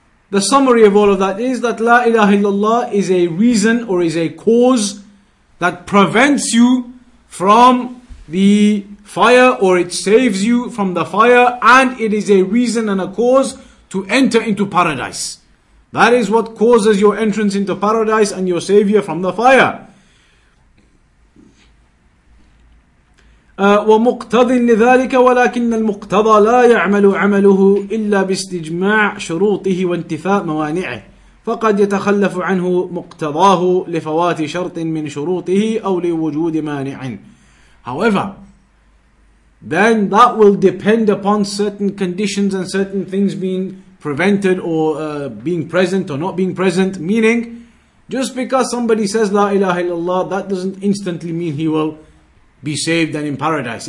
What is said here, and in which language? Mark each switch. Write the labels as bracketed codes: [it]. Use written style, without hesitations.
[en] The summary of all of that is that La ilaha illallah is a reason or is a cause that prevents you from the fire, or it saves you from the fire, and it is a reason and a cause to enter into paradise. That is what causes your entrance into paradise and your savior from the fire. [ar] ومقتضي لذلك ولكن المقتضى لا يعمل عمله إلا باستجماع شروطه وانتفاء موانعه فقد يتخلف عنه مقتضاه لفوات شرط من شروطه أو لوجود مانع. [en] However, then that will depend upon certain conditions and certain things being prevented or being present or not being present. Meaning, just because somebody says La ilaha illallah, that doesn't instantly mean he will be saved and in paradise.